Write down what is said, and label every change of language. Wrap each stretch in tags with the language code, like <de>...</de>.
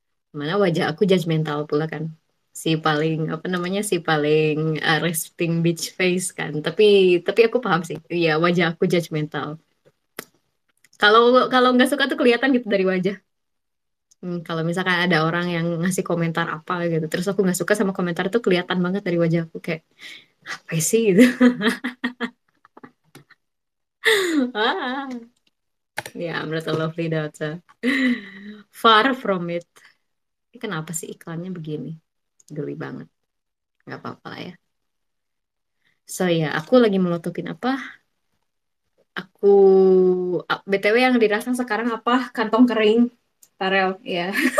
<id>Mana wajah aku judgmental pula kan. Si paling apa namanya, si paling</id> <en>resting bitch face</en> <id>kan, tapi aku paham sih ya, wajah aku judgmental. Kalau nggak suka tuh kelihatan gitu dari wajah. Kalau misalkan ada orang yang ngasih komentar apa gitu terus aku nggak suka sama komentar, tuh kelihatan banget dari wajah aku kayak apa sih gitu.</id> <en>Ya, I'm not a lovely daughter, far from it.</en> <id>Kenapa sih iklannya begini? Geli banget. Gak apa-apa lah ya. So ya, yeah, aku lagi melototin apa? Aku, BTW yang dirasa sekarang apa? Kantong kering. Tarel, ya. Yeah.</id>